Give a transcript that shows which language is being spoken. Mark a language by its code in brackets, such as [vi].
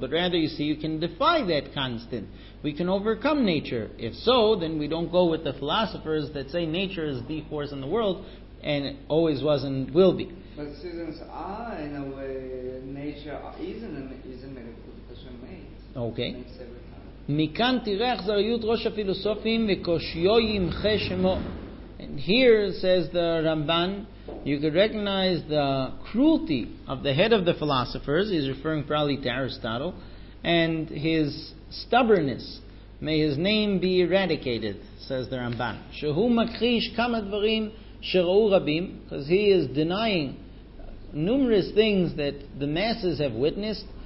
[en] But rather, you see, you can defy that constant. We can overcome nature. If so, then we don't go with the philosophers that say nature is the force in the world and always was and will be. But seasons are, in a way, nature isn't a good person made. Okay. [he] מכאן תראה אכזריות ראש הפילוסופים וקושיו ימחה שמו. [en] And here, says the Ramban, you could recognize the cruelty of the head of the philosophers. He's referring probably to Aristotle, and his stubbornness. May his name be eradicated, says the Ramban. [he] שהוא מכחיש כמה דברים שראו רבים, [en] because he is denying numerous things that the masses have witnessed.